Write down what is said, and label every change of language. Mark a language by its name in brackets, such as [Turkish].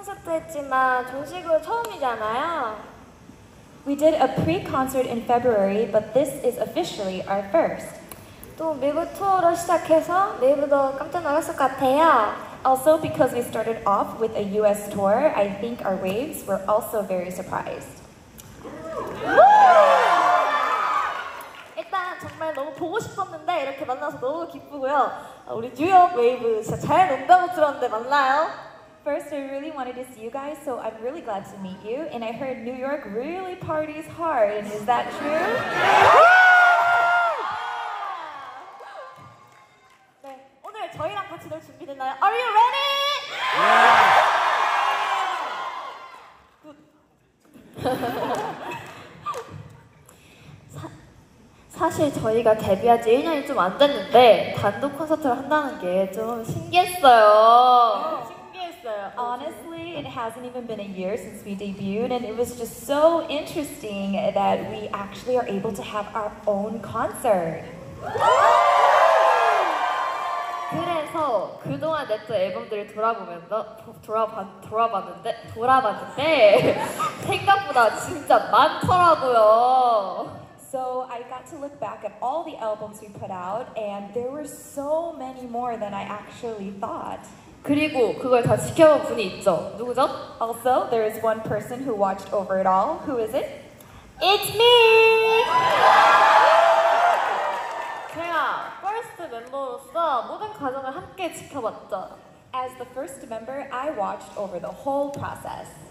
[Korean] 했지만 정식으로 처음이잖아요. [English] We did a pre-concert in February, but this is officially our first. [Korean] 또 미국 투어로 시작해서 내일부터 깜짝 놀랐을 것 같아요. [English] Also, because we started off with a U.S. tour, I think our waves were also very surprised. [Korean] 일단 정말 너무 보고 싶었는데 이렇게 만나서 너무 기쁘고요. 우리 뉴욕 웨이브 진짜 잘 논다고 들었는데 만나요. [English] First, I really wanted to see you guys, so I'm really glad to meet you. And I heard New York really parties hard. And is that true? Yeah! [Korean] 네, 오늘 저희랑 같이 놀 준비 됐나요? [English] Are you ready? Yeah! [Korean] 사실 저희가 데뷔한 지 1년이 좀 안 됐는데 단독 콘서트를 한다는 게 좀 신기했어요. [English] Honestly, it hasn't even been a year since we debuted, and it was just so interesting that we actually are able to have our own concert. [Korean] 그래서 그동안 냈던 앨범들을 돌아봤는데 생각보다 진짜 많더라고요. [English] So I got to look back at all the albums we put out, and there were so many more than I actually thought. [Korean] 그리고 그걸 다 지켜본 분이 있죠. 누구죠? [English] Also, there is one person who watched over it all. Who is it? It's me! [Korean] 제가 first 멤버로서 모든 과정을 함께 지켜봤죠. [English] As the first member, I watched over the whole process.